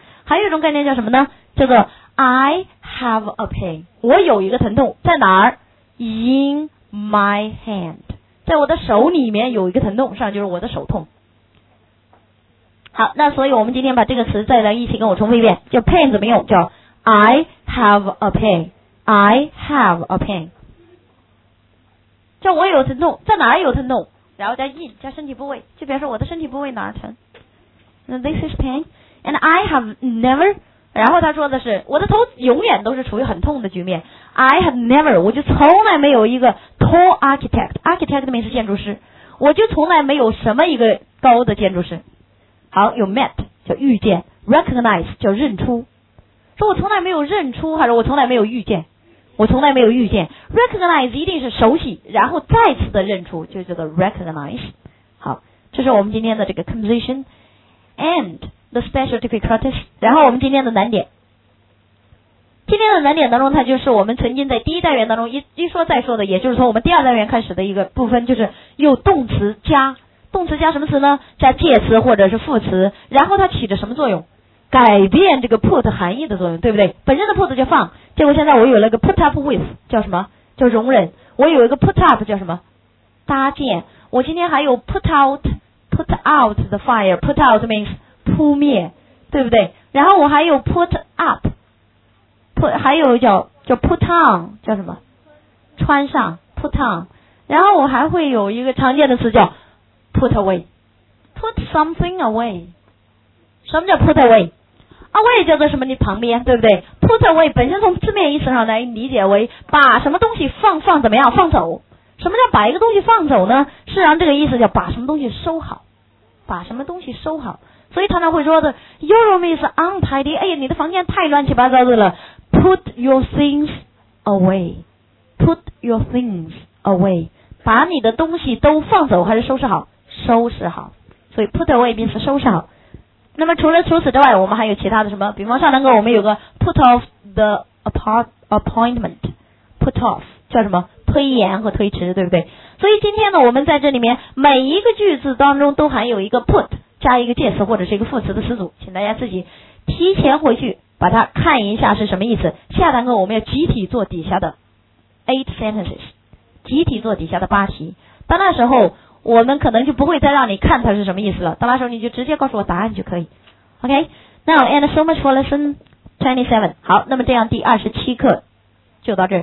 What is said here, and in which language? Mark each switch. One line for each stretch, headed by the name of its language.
Chinese: 还有一种概念叫什么呢？叫做
English: I have a pain，
Chinese: 我有一个疼痛，在哪儿？
English: In my hand，
Chinese: 在我的手里面有一个疼痛，实际上就是我的手痛。好，那所以我们今天把这个词再来一起跟我重复一遍，叫 pain 怎么用？叫
English: I have a pain， I have a pain。
Chinese: 叫我有疼痛，在哪儿有疼痛，然后加 in 加身体部位，就比如说我的身体部位哪儿疼。
English: And this is pain, and I have never.
Chinese: 然后他说的是，我的头永远都是处于很痛的局面。
English: I have never,
Chinese: 我就从来没有一个
English: tall architect. Architect means
Chinese: 建筑师，我就从来没有什么一个高的建筑师。好，有 met 叫遇见 ，recognize 叫认出。说我从来没有认出，还是我从来没有遇见？我从来没有遇见。 Recognize 一定是熟悉，然后再次的认出，就叫做 recognize。好，这是我们今天的这个 composition。
English: And the special difficulties.
Chinese: 然后我们今天的难点，今天的难点当中，它就是我们曾经在第一单元当中一说再说的，也就是从我们第二单元开始的一个部分，就是用动词加，动词加什么词呢？加介词或者是副词，然后它起着什么作用？改变这个 put 含义的作用，对不对？本身的 put 就放，结果现在我有了个 put up with 叫什么？叫容忍。我有一个 put up 叫什么？搭建。我今天还有 put out。
English: Put out the fire. Put out means
Chinese: 扑灭，对不对？然后我还有 put up, put 还有叫 put on, 叫什么？穿上
English: put on.
Chinese: 然后我还会有一个常见的词叫
English: put away, put something away.
Chinese: 什么叫 put away? Away 叫做什么？你旁边，对不对 ？Put away 本身从字面意思上来理解为把什么东西放怎么样？放走。什么叫把一个东西放走呢？是让这个意思叫把什么东西收好，把什么东西收好。所以他呢会说的 ，
English: Your room is untidy。
Chinese: 哎呀，你的房间太乱七八糟的了。
English: Put your things away. Put your things away.
Chinese: 把你的东西都放走还是收拾好？收拾好。所以
English: put away means
Chinese: 收拾好。那么除此之外，我们还有其他的什么？比方上堂课我们有个
English: put off the appointment.
Chinese: Put off 叫什么？推延和推迟，对不对？所以今天呢，我们在这里面每一个句子当中都含有一个 put 加一个介词或者是一个副词的词组，请大家自己提前回去把它看一下是什么意思。下堂课我们要集体做底下的
English: 8 sentences，
Chinese: 集体做底下的8题。到那时候我们可能就不会再让你看它是什么意思了，到那时候你就直接告诉我答案就可以。
English: OK， Now and so much for lesson 27。
Chinese: 好，那么这样第27课就到这儿。